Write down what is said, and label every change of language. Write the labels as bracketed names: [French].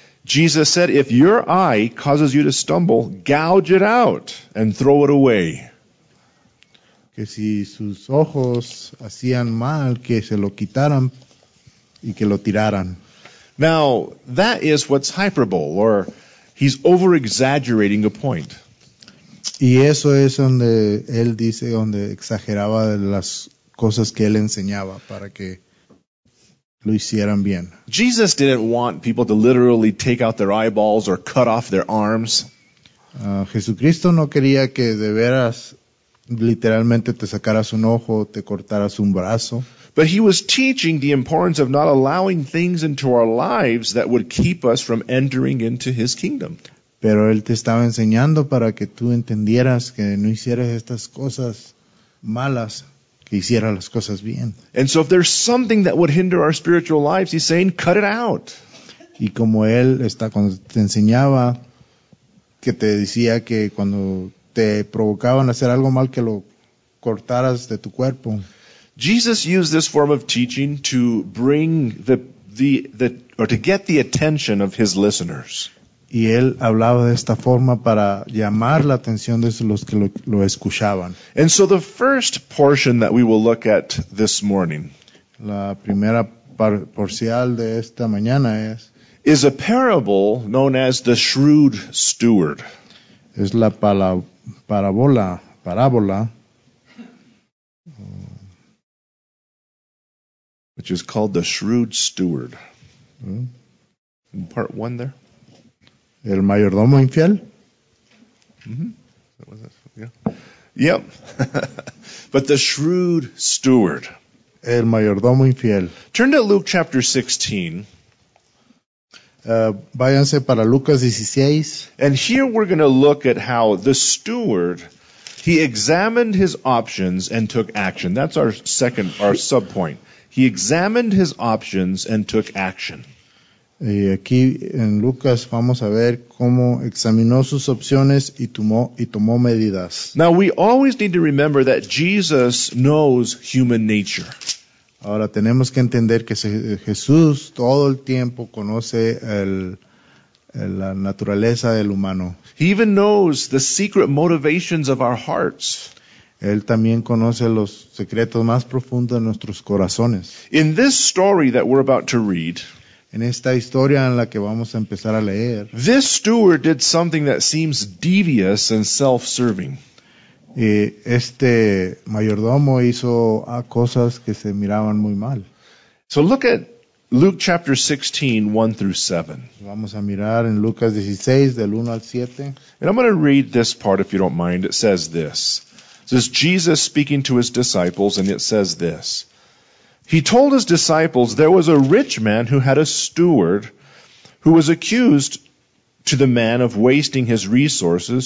[English] Jesus said, "If your eye causes you to stumble, gouge it out and throw it away." [Spanish] Que si sus ojos hacían mal, que se lo quitaran y que lo tiraran. [English] Now, that is what's hyperbole, or he's over-exaggerating a point. [Spanish] Y eso es donde él dice, donde exageraba las cosas que él enseñaba para que lo hicieran bien. [English] Jesus didn't want people to literally take out their eyeballs or cut off their arms. [Spanish] Jesucristo no quería que de veras literalmente te sacaras un ojo, te cortaras un brazo. [English] But he was teaching the importance of not allowing things into our lives that would keep us from entering into his kingdom. [Spanish] Pero él te estaba enseñando para que tú entendieras que no hicieras estas cosas malas, que hicieras las cosas bien. [English] And so if there's something that would hinder our spiritual lives, he's saying, cut it out. [Spanish] Y como él está, cuando te enseñaba, que te decía que cuando te provocaban a hacer algo mal, que lo cortaras de tu cuerpo. [English] Jesus used this form of teaching to bring or to get the attention of his listeners. [Spanish] Y él hablaba de esta forma para llamar la atención de los que lo escuchaban. [English] And so the first portion that we will look at this morning, [Spanish] la primera parcial de esta mañana es, [English] is a parable known as the shrewd steward. [Spanish] Es la parábola. [English] Which is called the shrewd steward. In part one there. [Spanish] El mayordomo infiel. [English] Yep. But the shrewd steward. [Spanish] El mayordomo infiel. [English] Turn to Luke chapter 16. [Spanish] Váyanse para Lucas 16. [English] And here we're going to look at how the steward, he examined his options and took action. That's our sub-point. He examined his options and took action. [Spanish] Y aquí en Lucas vamos a ver cómo examinó sus opciones y tomó medidas. [English] Now we always need to remember that Jesus knows human nature. [Spanish] Ahora tenemos que entender que Jesús todo el tiempo conoce la naturaleza del humano. [English] He even knows the secret motivations of our hearts. [Spanish] Él también conoce los secretos más profundos de nuestros corazones. [English] In this story that we're about to read, [Spanish] en esta historia en la que vamos a empezar a leer, [English] this steward did something that seems devious and self-serving. [Spanish] Este mayordomo hizo cosas que se miraban muy mal. [English] So look at Luke chapter 16, 1 through 7. [Spanish] Vamos a mirar en Lucas 16, del 1 al 7. [English] And I'm going to read this part, if you don't mind. It says this. This is Jesus speaking to his disciples, and it says this. He told his disciples, "There was a rich man who had a steward who was accused to the man of wasting his resources.